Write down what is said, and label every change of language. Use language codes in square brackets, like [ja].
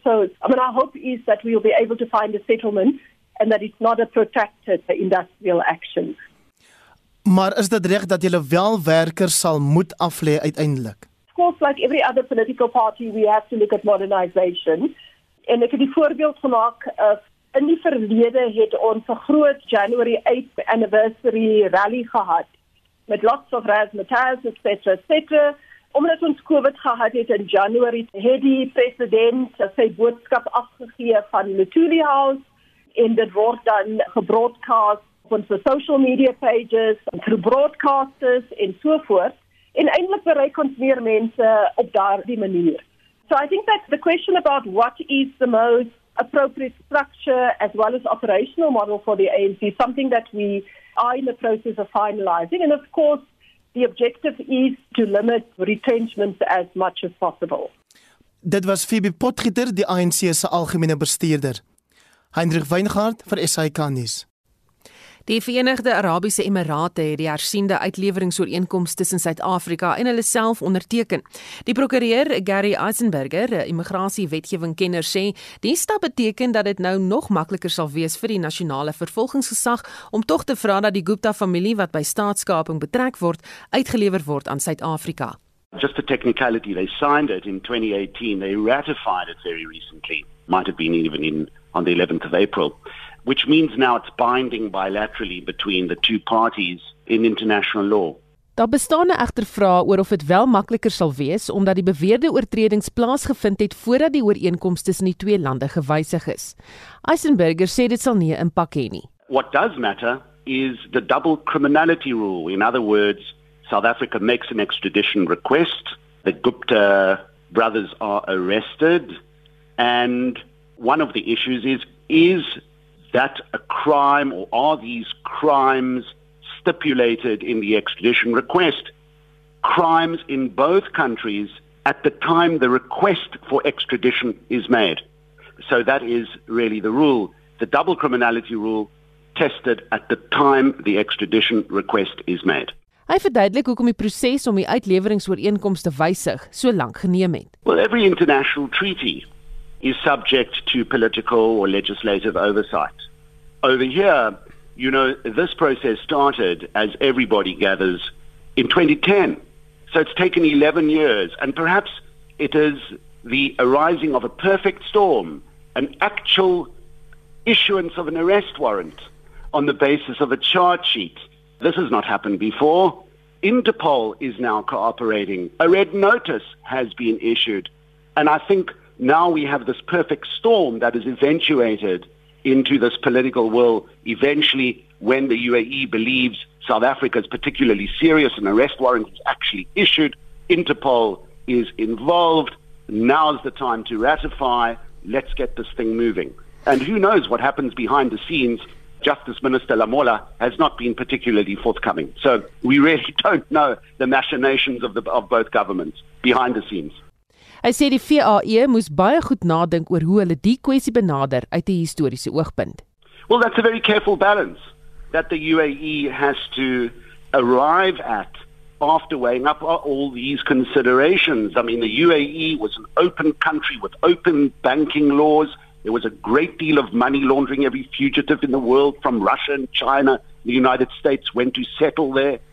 [en] So, I mean, our hope is that we will be able to find a settlement and that it's not a protracted industrial action. [af] Maar is dit reg dat julle wel werkers sal moet aflê uiteindelik? [en] Of course, like every other political party, we have to look at modernization. [af] En ek het die voorbeeld gemaak, in die verlede het ons 'n groot [en] January 8th anniversary rally [af] gehad met [en] lots of razzmatazz, et cetera, et cetera. [af] Omdat ons COVID gehad het in January, het die president sy boodskap afgegee van Luthuli House en dit word dan gebroadcast op ons [en] social media pages, through broadcasters [af] en so voort. En eindelijk bereik ons meer mensen op daar die manier. [en] So I think that the question about what is the most appropriate structure as well as operational model for the ANC is something that we are in the process of finalizing. And of course, the objective is to limit retrenchments as much as possible. [af] Dit was Phoebe Potgieter, die ANC se algemene bestuurder. Hendrik Weingart vir SAK News. Die Verenigde Arabiese Emirate het die hersiende uitleweringsooreenkoms tussen Suid-Afrika en hulle self onderteken. Die prokureur Gary Eisenberger, 'n immigrasiewetgewingkenner, sê die stap beteken dat dit nou nog makliker sal wees vir die nasionale vervolgingsgesag om tog te vra dat die Gupta-familie wat by staatskaping betrek word, uitgelewer word aan Suid-Afrika. [en] Just the technicality, they signed it in 2018, they ratified it very recently, might have been even on the 11th of April, which means now it's binding bilaterally between the two parties in international law. [af] Daar bestaan egter vrae oor of dit wel makliker sal wees, omdat die beweerde oortredings plaasgevind het voordat die ooreenkomste tussen die twee lande gewysig is. Eisenberger sê dit sal nie 'n impak hê nie. [en] What does matter is the double criminality rule, in other words, South Africa makes an extradition request, the Gupta brothers are arrested, and one of the issues is that a crime or are these crimes stipulated in the extradition request? Crimes in both countries at the time the request for extradition is made. So that is really the rule, the double criminality rule tested at the time the extradition request is made. [af] Hy verduidelik hoekom die proses om die uitleweringsooreenkomste te wysig so lank geneem het. [en] Well, every international treaty is subject to political or legislative oversight. Over here, you know, this process started, as everybody gathers, in 2010. So it's taken 11 years, and perhaps it is the arising of a perfect storm, an actual issuance of an arrest warrant on the basis of a charge sheet. This has not happened before. Interpol is now cooperating. A red notice has been issued. And I think now we have this perfect storm that is eventuated into this political will eventually when the UAE believes South Africa is particularly serious, an arrest warrant is actually issued. Interpol is involved. Now's the time to ratify. Let's get this thing moving. And who knows what happens behind the scenes. Justice Minister Lamola has not been particularly forthcoming. So we really don't know the machinations of both governments behind the scenes. [af] Hy sê die VAE moes baie goed nadink oor hoe hulle die kwessie benader uit 'n historiese oogpunt. [en] Well, that's a very careful balance that the UAE has to arrive at after weighing up all these considerations. I mean, the UAE was an open country with open banking laws. There was a great deal of money laundering. Every fugitive in the world from Russia and China, the United States went to settle there.